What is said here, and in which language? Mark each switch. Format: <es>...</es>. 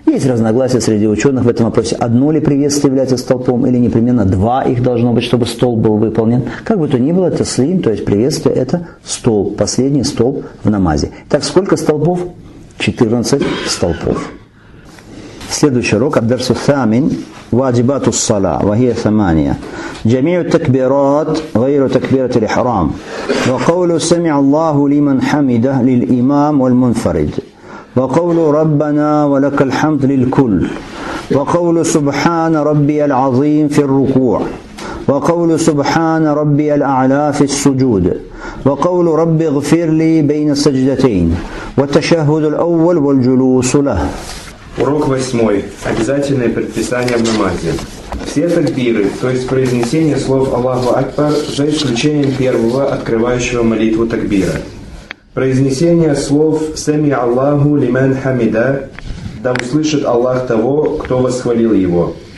<ru>Есть разногласия среди ученых в этом вопросе. Одно ли приветствие является столпом, или непременно два их должно быть, чтобы столб был выполнен. Как бы то ни было, это слим, то есть приветствие – это столб, последний столб в намазе. Так, сколько столпов? 14 столпов. Следующий урок – Ад-дарсу Самин.</ru> <ar>واجبات الصلاة وهي ثمانية جميع التكبيرات غير تكبيرة الإحرام وقول سمع الله لمن حمده للإمام والمنفرد وقول ربنا ولك الحمد للكل وقول سبحان ربي العظيم في الركوع وقول سبحان ربي الأعلى في السجود وقول ربي اغفر لي بين السجدتين والتشهد الأول والجلوس له.</ar> <ru>Урок восьмой. Обязательное предписание в намазе. Все такбиры, то есть произнесение слов Аллаху Акбар, за исключением первого, открывающего молитву такбира. Произнесение слов «Сами Аллаху лимен хамида», «Да услышит Аллах того, кто восхвалил его».</ru>